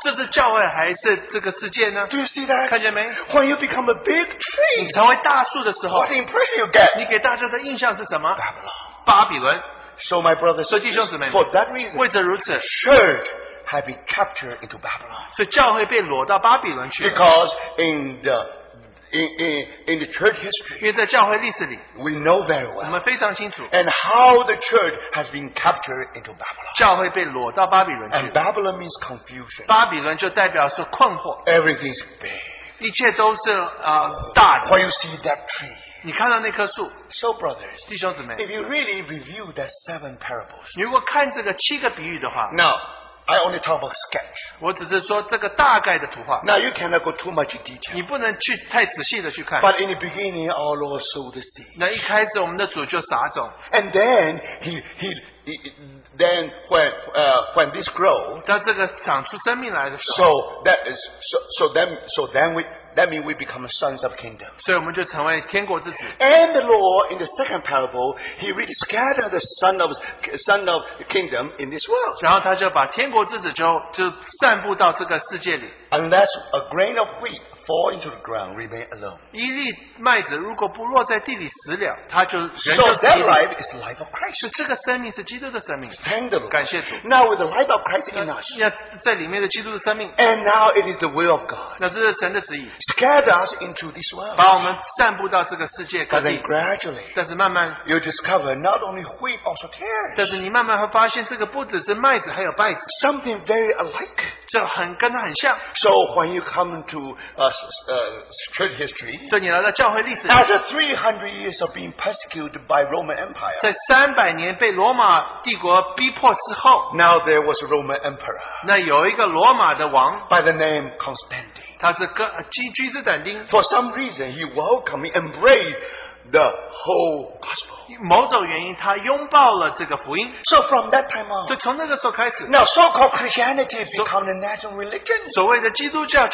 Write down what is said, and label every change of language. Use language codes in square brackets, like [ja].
[zh] 这是教会还是这个世界呢? [en] Do you see that? [zh] 看见没? [en] When you become a big tree, [zh] 你成为大树的时候, [en] what impression you get? [zh] 你给大家的印象是什么? [en] Babylon. So my brothers and sisters, for that reason, [zh] 为着如此, [en] church had been captured into Babylon. [zh] 所以教会被掳到巴比伦去了, [en] because in the church history, [zh] 因为在教会历史里, [en] we know very well, [zh] 我们非常清楚, [en] and how the church has been captured into Babylon. [zh] 教会被掳到巴比伦去了, [en] and Babylon means confusion. [zh] 巴比伦就代表是困惑, [en] everything's big. [zh] 一切都是, 大的, [en] when you see that tree, [zh] 你看到那棵树, [en] so brothers, [zh] 弟兄姊妹, [en] if you really review that seven parables, [zh] 如果看这个七个比喻的话, [en] now, I only talk about sketch. [zh] 我只是说这个大概的图画, [en] now you cannot go too much in detail. [zh] 你不能去太仔细的去看, [en] but in the beginning, our Lord sowed the seed. [zh] 那一开始我们的主就撒种, [en] and then he then when this grows, [zh] 当这个长出生命来的时候, [en] so then we become sons of kingdom. [zh] 所以我们就成为天国之子。 [en] And the Lord in the second parable, he really scattered the son of kingdom in this world. [zh] 然后他就把天国之子就散布到这个世界里。 [en] Unless a grain of wheat fall into the ground, remain alone. [zh] 一粒麦子如果不落在地里死了, 他就人就死了。 [en] So that life is the life of Christ. [zh] 所以这个生命是基督的生命。 [en] Thank the Lord. [zh] 感谢主。 [en] Now with the life of Christ in us, [zh] 要在里面的基督的生命。 [en] And now it is the will of God. [zh] 那这是神的旨意。 [en] Scatter us into this world. [zh] 把我们散布到这个世界各地。 [en] But then gradually, [zh] 但是慢慢, [en] you discover not only wheat, also tares. [zh] 但是你慢慢会发现这个不只是麦子，还有稗子。 [en] Something very alike. [zh] 就很跟它很像。 [en] So when you come to church history, [zh] 所以你来到教会历史里, [en] after 300 years of being persecuted by Roman Empire, [zh] 在300年被罗马帝国逼迫之后, [en] now there was a Roman Emperor, [zh] 那有一个罗马的王, [en] by the name Constantine, [zh] 他是君士坦丁, [en] for some reason he welcomed, embraced the whole gospel. [zh] 某种原因他拥抱了这个福音。 [en] So from that time on, [zh] 就从那个时候开始, [en] now so-called Christianity become the national religion.